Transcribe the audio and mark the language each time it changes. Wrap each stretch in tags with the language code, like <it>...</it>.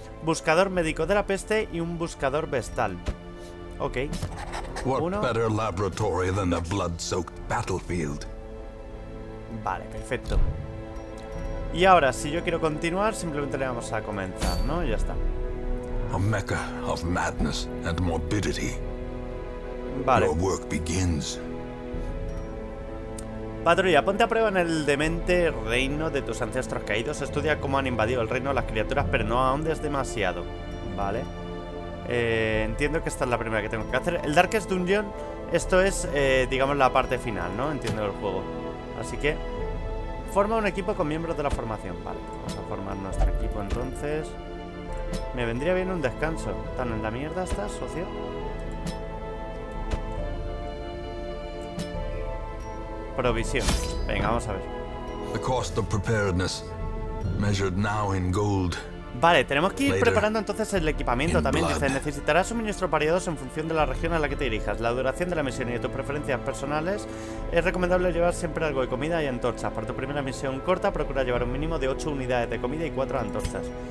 <es>Buscador médico de la peste y un buscador vestal. Ok. Uno. ¿Qué mejor laboratorio que el blood-soaked battlefield? Vale, perfecto. Y ahora, si yo quiero continuar, simplemente le vamos a comenzar, ¿no? Y ya está.</es> <en>A mecca of madness and morbidity. Vale. Your work begins.</en> <es>Patrulla, ponte a prueba en el demente reino de tus ancestros caídos. Estudia cómo han invadido el reino de las criaturas, pero no ahondes demasiado. Vale. Entiendo que esta es la primera que tengo que hacer. El Darkest Dungeon, esto es, digamos, la parte final, ¿no? Entiendo el juego. Así que, forma un equipo con miembros de la formación. Vale, vamos a formar nuestro equipo entonces. Me vendría bien un descanso. ¿Tan en la mierda estás, socio? Provisión. Venga, vamos a ver.</es> <en>The cost of preparedness, measured now in gold.</en> <es>Vale, tenemos que ir preparando entonces el equipamiento también. Dice, necesitarás suministros variados en función de la región a la que te dirijas. La duración de la misión y de tus preferencias personales. Es recomendable llevar siempre algo de comida y antorchas. Para tu primera misión corta, procura llevar un mínimo de 8 unidades de comida y 4 antorchas.</es>